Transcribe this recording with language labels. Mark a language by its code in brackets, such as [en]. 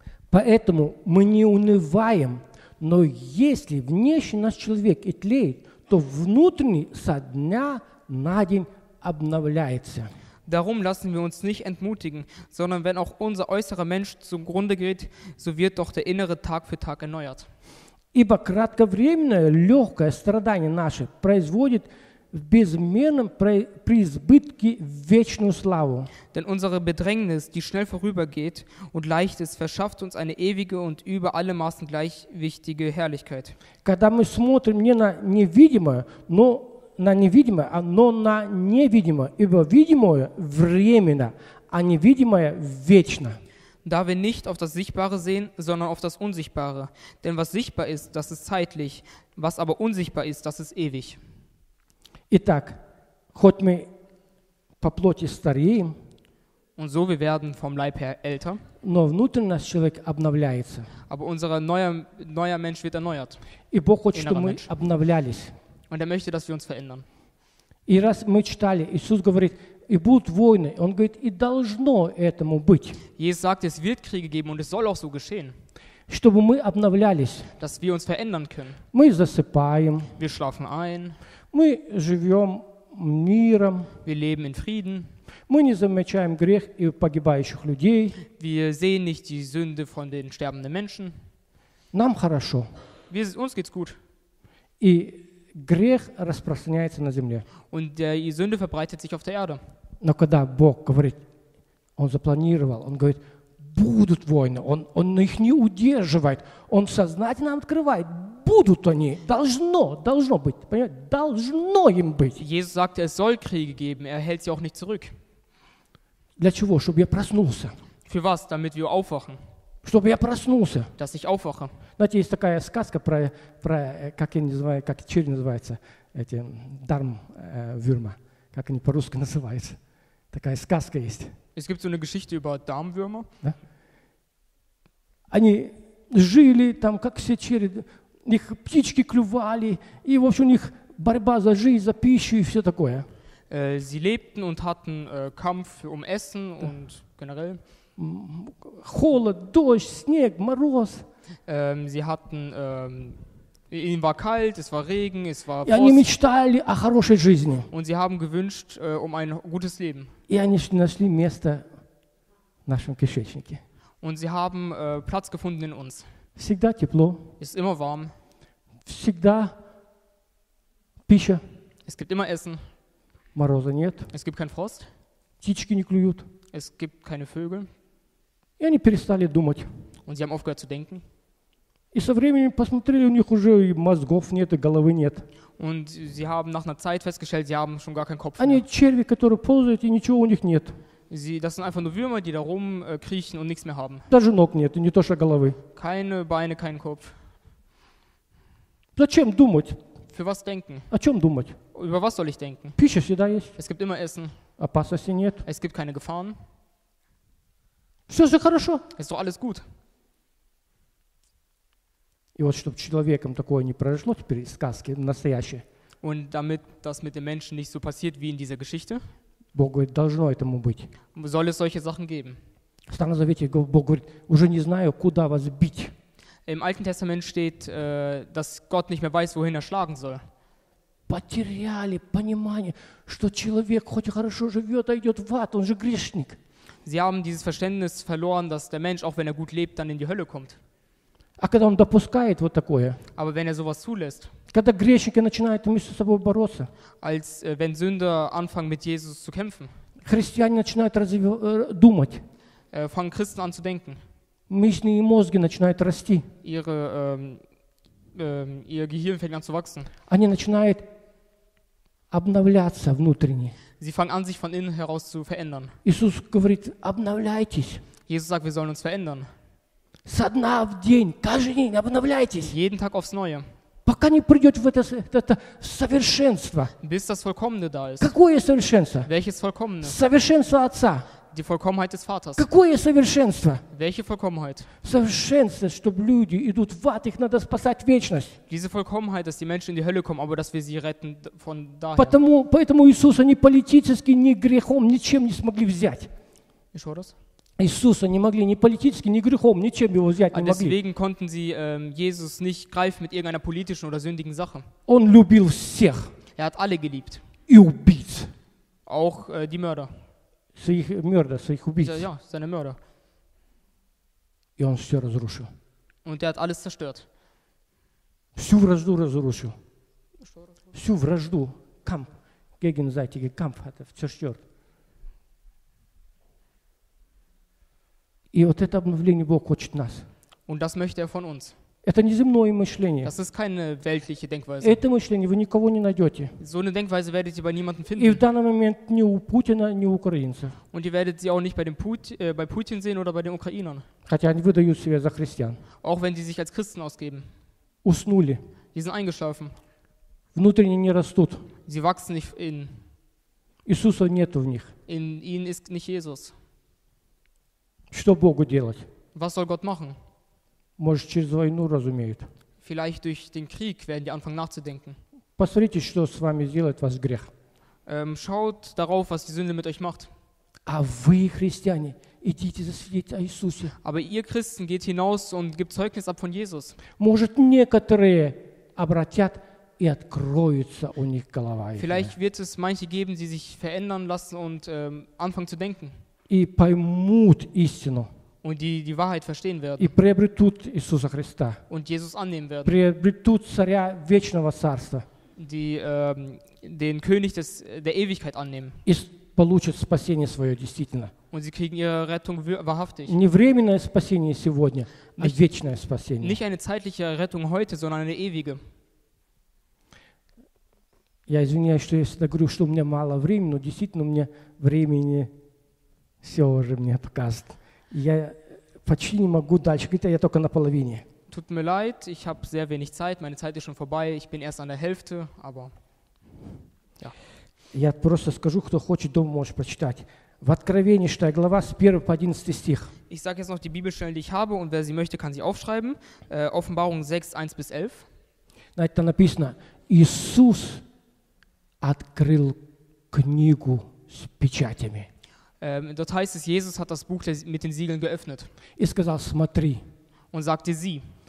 [ru] Поэтому мы не унываем, но если внешний наш человек и тлеет, то внутренний со дня на день обновляется. [de] Darum lassen wir uns nicht entmutigen, sondern wenn auch unser äußerer Mensch zugrunde geht, so wird doch der innere Tag für Tag erneuert. [ru] Ибо кратковременное легкое страдание наше производит в безмерном преизбытке вечную славу. [de] Denn unsere Bedrängnis, die schnell vorübergeht und leicht ist, verschafft uns eine ewige und über alle Maßen gleich wichtige Herrlichkeit. [ru] Когда мы смотрим не на невидимое, но на невидимое, но на невидимое, ибо видимое временно, а невидимое вечно. [de] Da wir nicht auf das Sichtbare sehen, sondern auf das Unsichtbare. Denn was sichtbar ist, das ist zeitlich, was aber unsichtbar ist, das ist ewig. [ru] Итак, хоть мы по плоти стареем, [de] und so, wir werden vom Leib her älter, [ru] но внутренний наш человек обновляется. [de] Aber unser neuer Mensch wird erneuert. [ru] И Бог хочет, чтобы мы обновлялись. [de] Und er möchte, dass wir uns verändern. [ru] И раз мы читали, Иисус говорит, и будут войны. Он говорит, и должно этому быть. [de] Jesus sagt, es wird Kriege geben und es soll auch so geschehen. [ru] Чтобы мы обновлялись. [de] Dass wir uns verändern können. [ru] Мы засыпаем. [de] Wir schlafen ein. [ru] Мы живем миром. [de] Wir leben in Frieden. [ru] Мы не замечаем грех и погибающих людей. [de] Wir sehen nicht die Sünde von den sterbenden Menschen. [ru] Нам хорошо. [de] Uns geht's gut. [ru] И грех распространяется на земле. [de] Und die Sünde verbreitet sich auf der Erde. [ru] Но когда Бог говорит, Он запланировал, Он говорит, будут войны, он их не удерживает, Он сознательно открывает, будут они, должно быть, понимаете, должно им быть. [de] Jesus sagte, es soll Kriege geben, er hält sie auch nicht zurück. [ru] Для чего? Чтобы я проснулся. [de] Für was? Damit wir aufwachen. [ru] Чтобы я проснулся. [de] Dass ich aufwache. [ru] Знаете, есть такая сказка про как я не знаю, как черви называются, эти дармвюрма, как они по-русски называются. Такая сказка есть. [de] Es gibt so eine Geschichte über Darmwürmer. [ru] Да? Они жили там, как все черви, их птички клювали, и, в общем, у них борьба за жизнь, за пищу и все такое. [de] Sie lebten und hatten Kampf um Essen да. Und generell. [ru] Холод, дождь, снег, мороз. [de] Sie hatten, ihnen war kalt, es war Regen, es war [ru] Frost. И они мечтали о хорошей жизни. [de] Und sie haben gewünscht, ein gutes Leben. [ru] И они нашли место в нашем кишечнике. [de] Und sie haben, Platz gefunden in uns. [ru] Всегда тепло. [de] Ist immer warm. [ru] Всегда пища. [de] Es gibt immer Essen. [ru] Мороза нет. [de] Es gibt keinen Frost. [ru] Птички не клюют. [de] Es gibt keine Vögel. [ru] И они перестали думать. [de] Und sie haben aufgehört zu denken. [ru] И со временем посмотрели, у них уже и мозгов нет, и головы нет. [de] Und sie haben nach einer Zeit festgestellt, sie haben schon gar keinen Kopf. [ru] Они черви, которые ползают, и ничего у них нет. [de] Das sind einfach nur Würmer, die da rumkriechen und nichts mehr haben. [ru] Даже ног нет, и не то что головы. [de] Keine Beine, keinen Kopf. [ru] Зачем думать? [de] Für was denken? [ru] О чем думать? [de] Über was soll ich denken? [ru] Пища всегда есть. [de] Es gibt immer Essen. [ru] Опасности нет. [de] Es gibt keine Gefahren. [ru] Все же хорошо. [de] Ist doch alles gut. [ru] И вот, чтобы человеком такое не произошло теперь из сказки настоящей. [de] Und damit das mit den Menschen nicht so passiert wie in dieser Geschichte. [ru] Бог говорит, должно этому быть. [de] Soll es solche Sachen geben? [ru] В Старом Завете Бог говорит, уже не знаю, куда вас бить. [de] Im Alten Testament steht, dass Gott nicht mehr weiß, wohin schlagen soll. [ru] Потеряли понимание, что человек хоть хорошо живет, а идет в ад, он же грешник. [de] Sie haben dieses Verständnis verloren, dass der Mensch, auch wenn gut lebt, dann in die Hölle kommt. [ru] А когда он допускает вот такое? [de] Aber wenn sowas zulässt. [ru] Когда грешники начинают между собой бороться? [de] Als wenn Sünder anfangen mit Jesus zu kämpfen. [ru] Христиане начинают думать. [de] Fangen Christen an zu denken. [ru] Мышление и мозги начинают расти. [de] Ihr Gehirn fängt an zu wachsen. [ru] Они начинают обновляться внутренне. [de] Sie fangen an, sich von innen heraus zu verändern. [ru] Иисус говорит, обновляйтесь. [de] Jesus sagt, wir sollen uns verändern. [ru] Со дня в день, каждый день обновляйтесь. [de] Jeden Tag aufs Neue. [ru] Пока не придете в это совершенство. [de] Bis das Vollkommene da ist. [ru] Какое совершенство? [de] Welches Vollkommene? [ru] Совершенство Отца. [de] Die Vollkommenheit des Vaters. [ru] Какое совершенство? [de] Welche Vollkommenheit? [ru] Совершенство, чтобы люди идут в ад, их надо спасать вечность. [de] Diese Vollkommenheit, dass die Menschen in die Hölle kommen, aber dass wir sie retten von daher. [ru] Поэтому Иисуса ни политически, ни грехом, ничем не смогли взять. Еще раз. Иисуса не могли ни политически, ни грехом, ничем его взять не могли. [de] Deswegen konnten sie Jesus nicht greifen mit irgendeiner politischen oder sündigen Sache. [ru] Он любил всех. [de] Er hat alle geliebt. [ru] И убийц. [de] Auch die Mörder. [ru] Своих мёрдер, своих убийц. [de] Ja, seine Mörder. [ru] И он всё разрушил. [de] Und er hat alles zerstört. [ru] Всю вражду разрушил. Всю вражду. Kampf. [de] Gegenseitige Kampf hat er zerstört. [ru] И вот это обновление Бог хочет нас. [de] Und das möchte er von uns. [ru] Это не земное мышление. [de] Das ist keine weltliche Denkweise. [ru] Это мышление вы никого не найдете. [de] So eine Denkweise werdet ihr bei niemandem finden. [ru] И в данный момент ни у Путина, ни у украинцев. [de] Und ihr werdet sie auch nicht bei dem bei Putin sehen oder bei den Ukrainern. [ru] Хотя они выдают себя за христиан. [de] Auch wenn sie sich als Christen ausgeben. [ru] Уснули. [de] Die sind eingeschlafen. [ru] Внутренне не растут. [de] Sie wachsen nicht in. [ru] Иисуса нету в них. [de] In ihnen ist nicht Jesus. [ru] Что Богу делать? [de] Was soll Gott machen? [ru] Может, через войну разумеют. [de] Vielleicht durch den Krieg werden die anfangen nachzudenken. [ru] Посмотрите, что с вами сделает ваш грех. [de] Schaut darauf, was die Sünde mit euch macht. [ru] А вы, христиане, идите засвидетельствовать о Иисусе. [de] Aber ihr Christen geht hinaus und gibt Zeugnis ab von Jesus. [ru] Может, некоторые обратят и откроются у них голова. [de] Vielleicht wird es manche geben, die sich verändern lassen und anfangen zu denken. [ru] И поймут истину. [de] Und die Wahrheit verstehen werden. [ru] И приобретут Иисуса Христа. [de] Und Jesus annehmen werden. [ru] Приобретут царя вечного царства. [de] Die, den König des, der Ewigkeit annehmen. [ru] И получат спасение свое действительно. [de] Und sie kriegen ihre Rettung wahrhaftig. [ru] Не временное спасение сегодня, а вечное спасение. [de] Nicht eine zeitliche Rettung heute, sondern eine ewige. [ru] Я извиняюсь, что я всегда говорю, что у меня мало времени, но действительно у меня времени все уже мне показывает. Я почти не могу дальше. Говорит, я только наполовине. [de] Tut mir leid, ich habe sehr wenig Zeit. Meine Zeit ist schon vorbei. Ich bin erst an der Hälfte, aber ja. [ru] Я просто скажу, кто хочет, дома может прочитать. В Откровении, 6 глава, с 1 по 11 стих. [de] Ich sage jetzt noch die Bibelstellen, die ich habe, und wer sie möchte, kann sie aufschreiben. Offenbarung 6, 1 bis 11. [ru] Na, это написано, Иисус открыл книгу с печатями. [de] Dort heißt es, Jesus hat das Buch mit den Siegeln geöffnet. Und sagte sie.